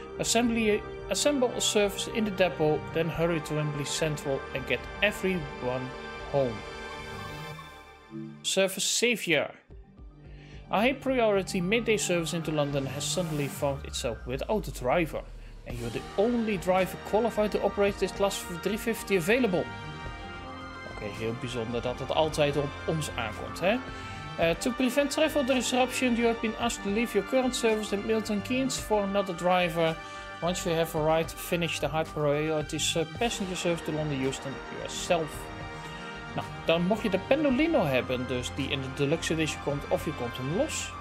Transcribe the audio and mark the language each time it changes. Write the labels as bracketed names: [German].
[English] Assemble a service in the depot, then hurry to Wembley Central and get everyone home. Service Saviour. A high priority midday service into London has suddenly found itself without a driver, and you're the only driver qualified to operate this class 350 available. [Dutch] Okay, heel bijzonder dat het altijd op ons aankomt, hè? [English] To prevent travel disruption, you have been asked to leave your current service at Milton Keynes for another driver. Once you have arrived, finish the high priority passenger service to London Euston yourself. [Dutch] Nou, dan mocht je de Pendolino hebben, dus die in de Deluxe Edition komt, of je komt hem los.